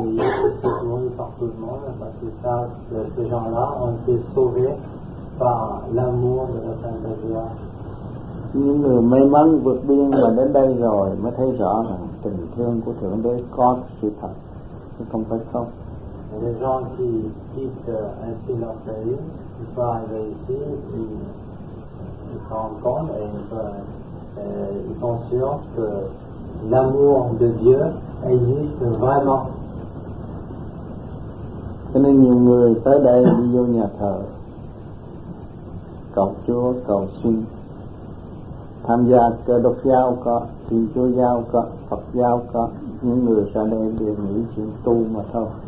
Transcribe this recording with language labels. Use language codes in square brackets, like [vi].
[fr] Ces gens qui sont arrivés dans Philippines, ont été accueillis, secourus par tout le monde, parce que ces gens-là ont été sauvés par l'amour de la. [vi] Những người may mắn vượt biên mà đến đây rồi mới thấy rõ là tình thương của Thượng Đế có sự thật, chứ không phải không. [fr] Les gens qui quittent ainsi leur pays, qui sont arrivés ici, qui se rendent compte et ils sont sûrs que l'amour de Dieu existe vraiment. [vi] Cho nên nhiều người tới đây đi vô nhà thờ cầu Chúa, cầu xin tham gia Cơ Đốc giáo có, Thiên Chúa giáo có, Phật giáo có, những người ra đây đều nghĩ chuyện tu mà thôi.